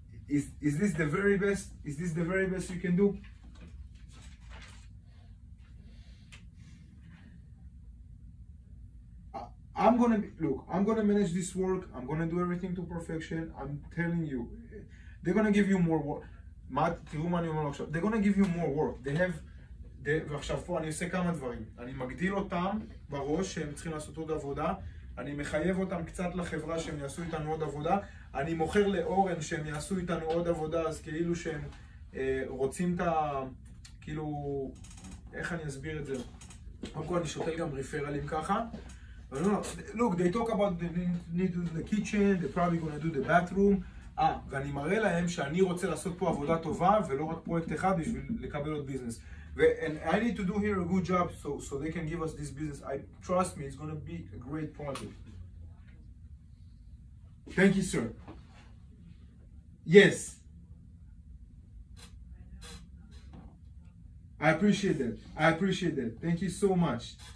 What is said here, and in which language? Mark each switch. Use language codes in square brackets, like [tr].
[en] is this the very best? Is this the very best you can do? I'm gonna manage this work. I'm gonna do everything to perfection. I'm telling you, they're gonna give you more work. [he] מה, תראו מה אני אומר עכשיו. [en] They're gonna give you more work. They have, [he] ועכשיו פה אני עושה כמה דברים. אני מגדיל אותם בראש שהם צריכים לעשות עוד עבודה. אני מחייב אותם קצת לחברה שהם יעשו איתנו עוד עבודה. אני מוכר לאורן שהם יעשו איתנו עוד עבודה, אז כאילו שהם רוצים את ה... כאילו, איך אני אסביר את זה? קודם כל אני שותל גם ריפרלים ככה. [en] Look, they talk about they need to do the kitchen, they're probably gonna do the bathroom. [he] ואני מראה להם שאני רוצה לעשות פה עבודה טובה ולא רק פרויקט אחד בשביל לקבל עוד ביזנס. [en] And I need to do here a good job so they can give us this business. I trust me, it's gonna be a great project. Thank you, sir. Yes. I appreciate that. Thank you so much.